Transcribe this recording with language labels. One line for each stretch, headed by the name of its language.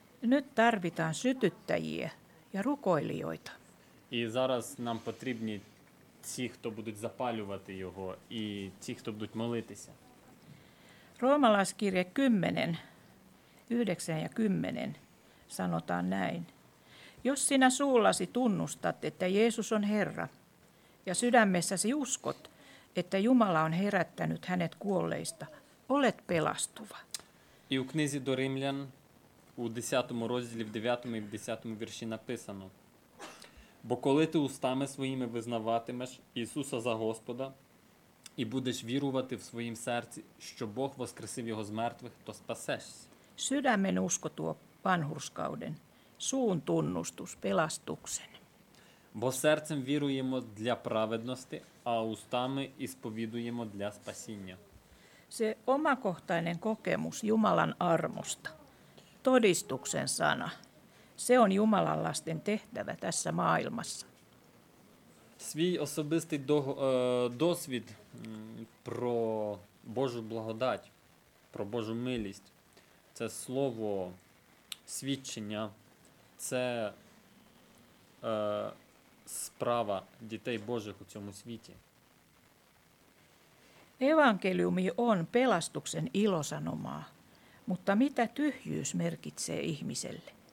Finnish: Nyt tarvitaan sytyttäjiä ja rukoilijoita.
Ukrainian: І зараз нам потрібні ті, хто будуть запалювати його, і ті, хто будуть молитися.
Finnish: Roomalaiskirje 10, 9 ja 10 sanotaan näin. Jos sinä suullasi tunnustat, että Jeesus on Herra, ja sydämessäsi uskot, että Jumala on herättänyt hänet kuolleista, olet pelastuva.
Ukrainian: І у книзі до римлян у 10 розділі, в 9 і в 10 вірші написано: бо коли ти устами своїми визнаватимеш Ісуса за Господа і будеш вірувати в своїм серці, що Бог воскресив його з мертвих, то спасешся.
Finnish: Sydämen usko tuo vanhurskauden. Suun tunnustus, pelastuksen.
Ukrainian: Бо серцем віруємо для праведності, а устами ісповідуємо для спасіння.
Finnish: Se omakohtainen kokemus Jumalan armosta, todistuksen sana, se on Jumalan lasten tehtävä tässä maailmassa.
Ukrainian: Свій особистий досвід про Божу благодать, про Божу милість, це слово свідчення, це справа дітей Божих у цьому світі.
Finnish: Evankeliumi on pelastuksen ilosanomaa, mutta mitä tyhjyys merkitsee ihmiselle?